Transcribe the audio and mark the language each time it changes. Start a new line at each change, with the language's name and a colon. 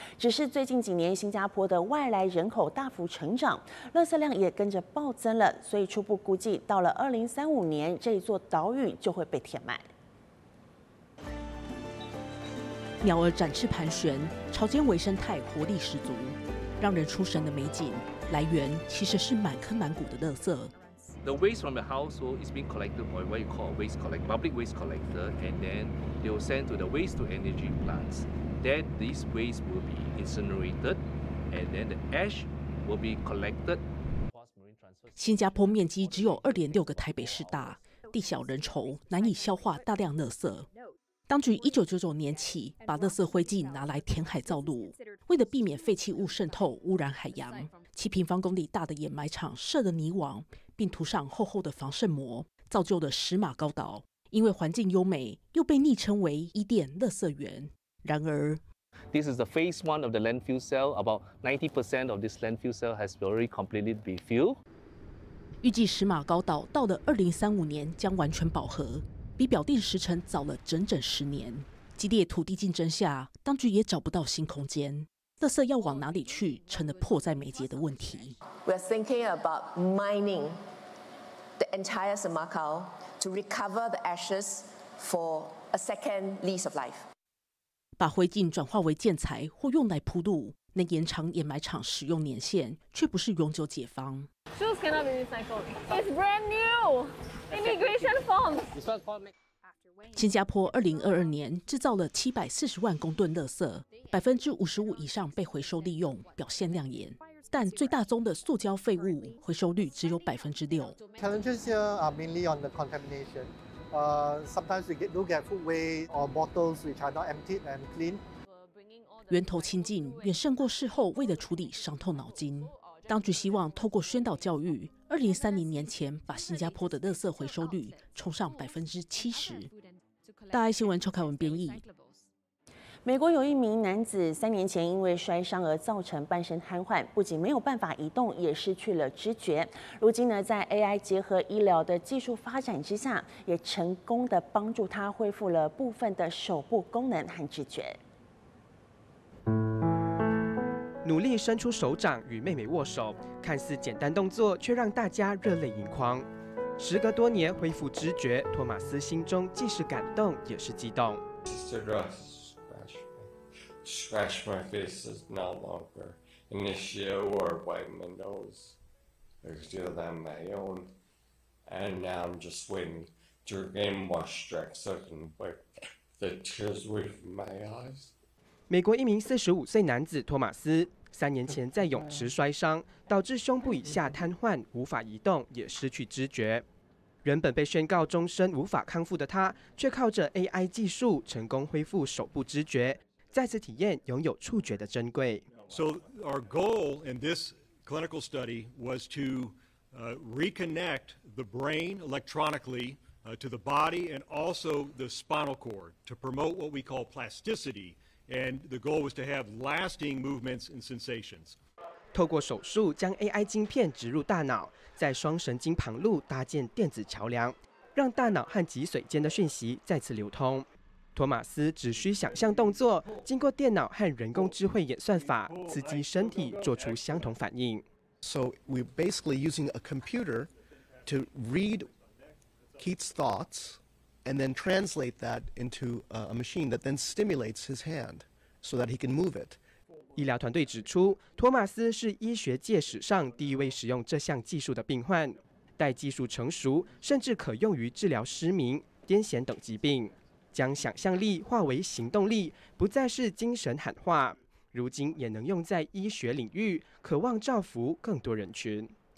Chinese: 只是最近几年，新加坡的外来人口大幅成长，垃圾量也跟着暴增了，所以初步估计到了2035年，这座岛屿就会被填满。鸟儿展翅盘旋，潮间微生态活力十足，让人出神的美景。来源其实是满坑满谷的垃圾。
English: The waste from the household is being collected by what you call waste collect, public waste collector, and then they will send to the waste to energy plants. Then this waste will be incinerated, and then the ash will be collected.
Chinese: 新加坡面积只有2.6个台北市大，地小人稠，难以消化大量垃圾。当局1999年起把垃圾灰烬拿来填海造陆，为了避免废弃物渗透污染海洋。 7平方公里大的掩埋场设的泥网，并涂上厚厚的防渗膜，造就了石马高岛。因为环境优美，又被昵称为伊甸垃圾园。然而
English: ，This is the phase one of the landfill cell. About 90% of this landfill cell has already completely been filled.
Chinese: 预计石马高岛到了2035年将完全饱和，比表定时程早了整整10年。激烈土地竞争下，当局也找不到新空间。垃圾要往哪里去，成了迫在眉睫的问题。
English: We are thinking about mining the entire Semakau to recover the ashes for a second lease of life.
Chinese: 把灰烬转化为建材或用来铺路，能延长掩埋场使用年限，却不是永久解放。
English: Shoes cannot be recycled. It's brand new. Immigration forms.
Chinese: 新加坡2022年制造了740万公吨垃圾，55%以上被回收利用，表现亮眼。但最大宗的塑胶废物回收率只有6%。
English: Challenges here are mainly on the contamination. Sometimes we do get food waste or bottles which are not emptied and cleaned.
Chinese: 源头清净远胜过事后为了处理伤痛脑筋。当局希望透过宣导教育，2030年前把新加坡的垃圾回收率冲上70%。大爱新闻邱凯文编译。美国有一名男子3年前因为摔伤而造成半身瘫痪，不仅没有办法移动，也失去了知觉。如今呢，在 AI 结合医疗的技术发展之下，也成功的帮助他恢复了部分的手部功能和知觉。努力伸出手掌与妹妹握手，看似简单动作，却让大家热泪盈眶。时隔多年恢复知觉，托马斯心中既是感动，也是激动。
English: Scratch my face is no longer an issue, or wipe my nose. I can do that on my own. And now I'm just waiting to regain moisture so I can wipe the tears away from my eyes.
Chinese: 美国一名45岁男子托马斯，3年前在泳池摔伤，导致胸部以下瘫痪，无法移动，也失去知觉。原本被宣告终身无法康复的他，却靠着 AI 技术成功恢复手部知觉。再次体验拥有触觉的珍贵。
English: So our goal in this clinical study was to reconnect the brain electronically to the body and also the spinal cord to promote what we call plasticity. And the goal was to have lasting movements and sensations.
Chinese: 透过手术将 AI 晶片植入大脑，在双神经旁路搭建电子桥梁，让大脑和脊髓间的讯息再次流通。托马斯只需想象动作，经过电脑和人工智慧演算法，刺激身体做出相同反应。
English: So we're basically using a computer to read Keith's thoughts and then translate that into a machine that then stimulates his hand so that he can move it.
Chinese: 医疗团队指出，托马斯是医学界史上第一位使用这项技术的病患。待技术成熟，甚至可用于治疗失明、癫痫等疾病。将想象力化为行动力，不再是精神喊话，如今也能用在医学领域，渴望造福更多人群。